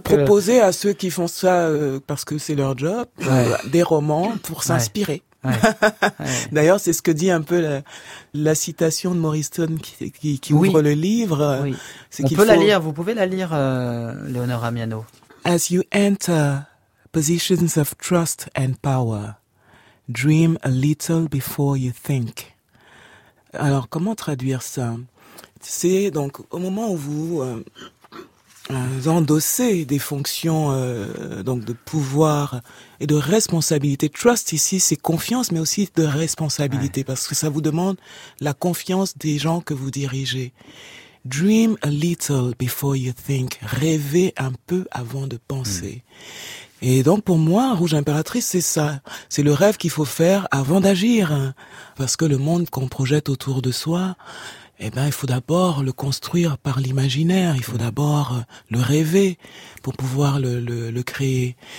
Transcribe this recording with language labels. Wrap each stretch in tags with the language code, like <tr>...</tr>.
<fr>proposer à ceux qui font ça parce que c'est leur job des romans pour s'inspirer. D'ailleurs, c'est ce que dit un peu la citation de Morrison qui ouvre le livre. C'est qu'il faut la lire. Vous pouvez la lire, Léonora Miano.</fr> <en>As you enter positions of trust and power, dream a little before you think.</en> <fr>Alors, comment traduire ça? C'est donc au moment où vous endosser des fonctions donc de pouvoir et de responsabilité. Trust ici, c'est confiance, mais aussi de responsabilité, parce que ça vous demande la confiance des gens que vous dirigez.</fr> <en>Dream a little before you think.</en> <fr>Rêvez un peu avant de penser. Et donc pour moi, Rouge Impératrice, c'est ça. C'est le rêve qu'il faut faire avant d'agir, parce que le monde qu'on projette autour de soi, il faut d'abord le construire par l'imaginaire, il faut d'abord le rêver pour pouvoir le créer.</fr>